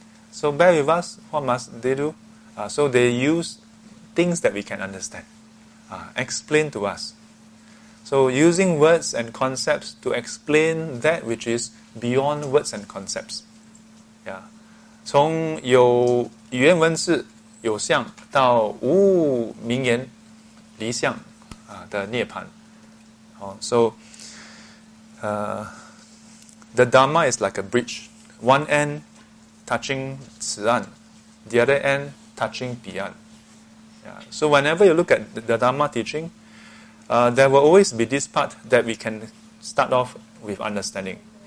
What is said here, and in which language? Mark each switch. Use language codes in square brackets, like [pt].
[en] So bear with us, what must they do? So they use things that we can understand. Explain to us. So using words and concepts to explain that which is beyond words and concepts. Yeah. [zh] 从有语言文字有相到无名言离相的涅槃. [en] So the Dharma is like a bridge. One end, touching 此岸, the other end touching 彼岸.Yeah. So whenever you look at the Dharma teaching, there will always be this part that we can start off with understanding.